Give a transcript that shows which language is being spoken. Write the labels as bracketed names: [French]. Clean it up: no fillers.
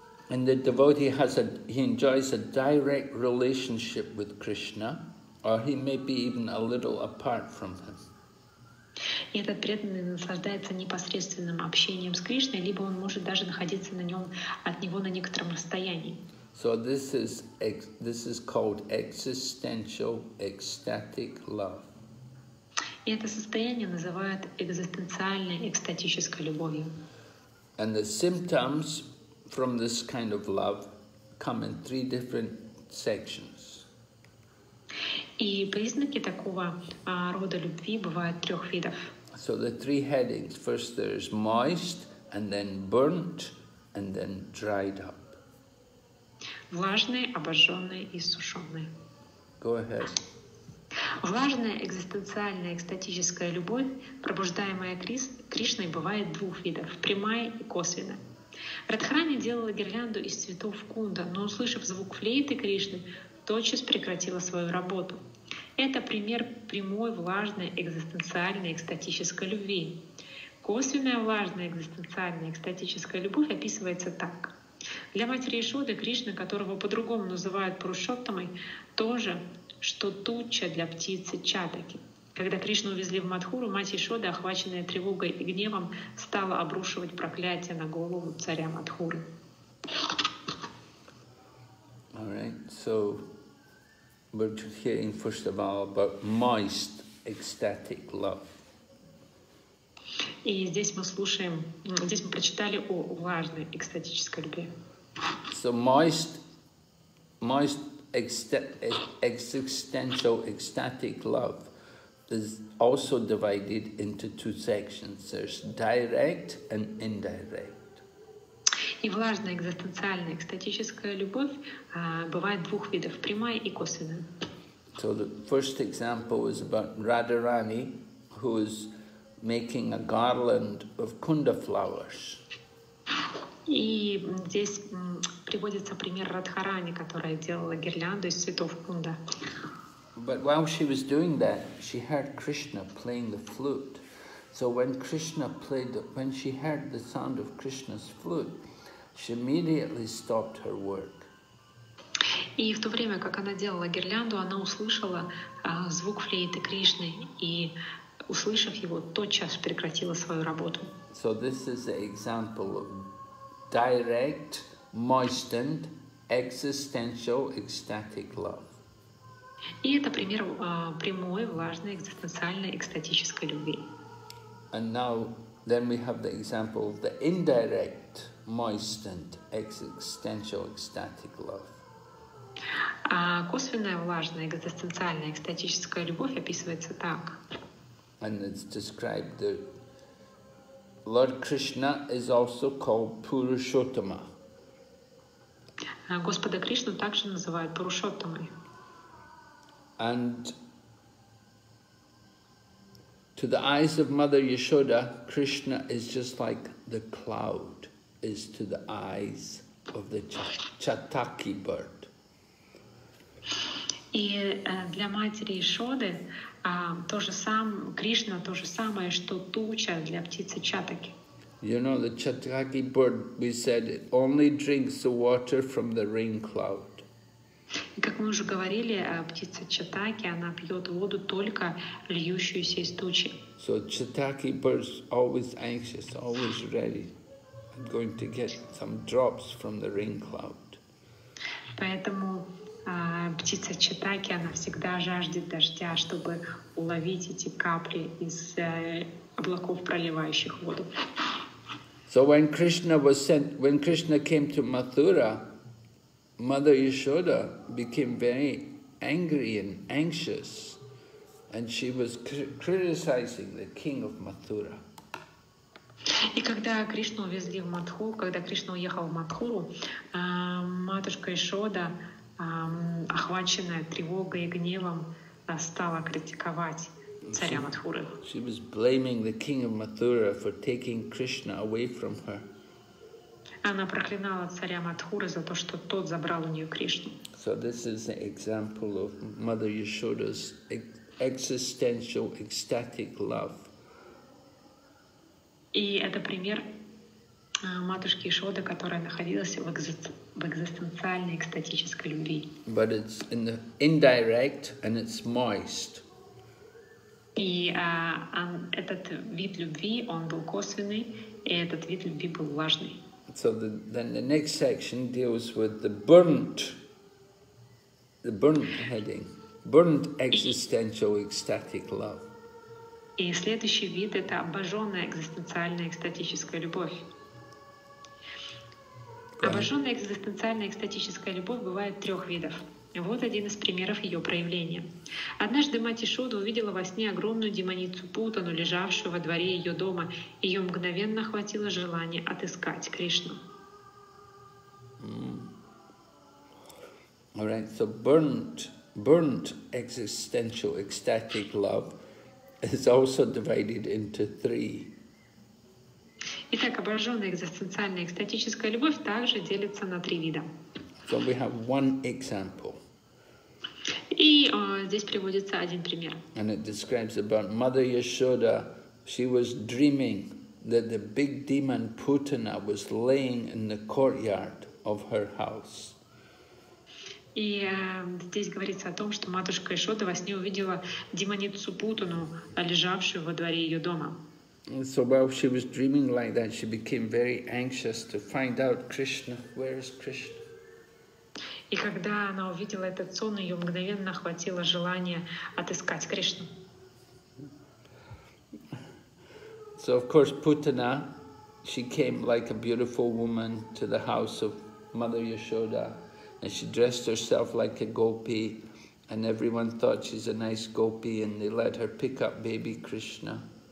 [English] And the devotee he enjoys a direct relationship with Krishna, or he may be even a little apart from him. [Russian] И этот преданный наслаждается непосредственным общением с Кришной, либо он может даже находиться на нем, от него на некотором расстоянии. [English] So this is called existential ecstatic love. [Russian] И это состояние называют экзистенциальной экстатической любовью. [English] And the symptoms from this kind of love come in three different sections. [Russian] И признаки такого рода любви бывают трех видов. [English] So the three headings. First there's moist, and then burnt, and then dried up. [Russian] Влажные, обожженные и сушеные. [English] Go ahead. [Russian] Влажная экзистенциальная экстатическая любовь, пробуждаемая Кришной, бывает двух видов – прямая и косвенная. Радхарани делала гирлянду из цветов кунда, но, услышав звук флейты Кришны, тотчас прекратила свою работу. Это пример прямой, влажной, экзистенциальной, экстатической любви. Косвенная, влажная, экзистенциальная, экстатическая любовь описывается так. Для матери Ишоды Кришна, которого по-другому называют Пурушоттамой, то же, что туча для птицы Чатаки. Когда Кришну увезли в Мадхуру, мать Ишоды, охваченная тревогой и гневом, стала обрушивать проклятие на голову царя Мадхуры. [English] All right, so we're hearing first of all about moist ecstatic love. [Russian] И здесь мы слушаем, здесь мы прочитали о влажной экстатической любви. [English] So moist existential ecstatic love is also divided into two sections. There's direct and indirect. [Russian] И влажная экзистенциальная экстатическая любовь бывает двух видов – прямая и косвенная. [English] So the first example is about Radharani, who is making a garland of kunda flowers. [Russian] И здесь приводится пример Радхарани, которая делала гирлянду из цветов кунда. [English] But while she was doing that, she heard Krishna playing the flute. So when Krishna played, when she heard the sound of Krishna's flute, she immediately stopped her work. [Russian] И в то время, как она делала гирлянду, она услышала звук флейты Кришны и, услышав его, тотчас прекратила свою работу. [English] So this is an example of direct, moistened, existential, ecstatic love. [Russian] И это пример прямой, влажной, экзистенциальной, экстатической любви. [English] And now, then we have the example of the indirect, moistened, existential, ecstatic love. [Russian] А косвенная, влажная, экзистенциальная, экстатическая любовь описывается так. [English] And it's described that Lord Krishna is also called Purushottama. [Russian] Господа Кришну также называют Пурушоттамой. [English] And to the eyes of Mother Yashoda, Krishna is just like the cloud is to the eyes of the Chataki bird. [Russian] И для матери Ишоды Кришна то же самое, что туча для птицы Чатаки. [English] You know, the Chataki bird, we said, it only drinks the water from the rain cloud. [Russian] Как мы уже говорили, птица Чатаки, она пьет воду только льющуюся из тучи. [English] So Chataki bird's always anxious, always ready, and going to get some drops from the rain cloud. [Russian] Поэтому птица Чатаки, она всегда жаждет дождя, чтобы уловить эти капли из облаков, проливающих воду. [English] So when Krishna was sent, when Krishna came to Mathura, Mother Yashoda became very angry and anxious, and she was criticizing the king of Mathura. [Russian] И когда Кришну увезли в Матху, когда Кришна уехал в Матхуру, матушка Ишода, охваченная тревогой и гневом, стала критиковать. [English] She was blaming the king of Mathura for taking Krishna away from her. [Russian] Она проклинала царя Матхуры за то, что тот забрал у нее Кришну. [English] So this is an example of Mother Yashoda's existential ecstatic love. [Russian] И это пример матушки Ишоды, которая находилась в экзистенциальной экстатической любви. [English] But it's in the indirect and it's moist. [Russian] И этот вид любви, он был косвенный, и этот вид любви был влажный. [English] So then the next section deals with the burnt heading, burnt existential ecstatic love. [Russian] И следующий вид — это обожженная экзистенциальная экстатическая любовь. Обожженная экзистенциальная экстатическая любовь бывает трех видов. Вот один из примеров ее проявления. Однажды мать Ишода увидела во сне огромную демоницу Путану, лежавшую во дворе ее дома. Ее мгновенно охватило желание отыскать Кришну. [English] All right, so burnt existential ecstatic love is also divided into three. [Russian] Итак, обожженная экзистенциальная экстатическая любовь также делится на три вида. [English] So we have one example. [Russian] И здесь приводится один пример. [English] And it describes about Mother Yashoda. She was dreaming that the big demon Putana was laying in the courtyard of her house. [Russian] И здесь говорится о том, что матушка Ишода во сне увидела демоницу Путану, лежавшую во дворе ее дома. [English] And so while she was dreaming like that, she became very anxious to find out Krishna. Where is Krishna? [Russian] И когда она увидела этот сон, ее мгновенно охватило желание отыскать Кришну. [English] So of course Путана, she came like a beautiful woman to the house of Mother Yashoda, and she dressed herself like a gopi, and everyone thought she's a nice gopi, and they let her pick up baby Krishna.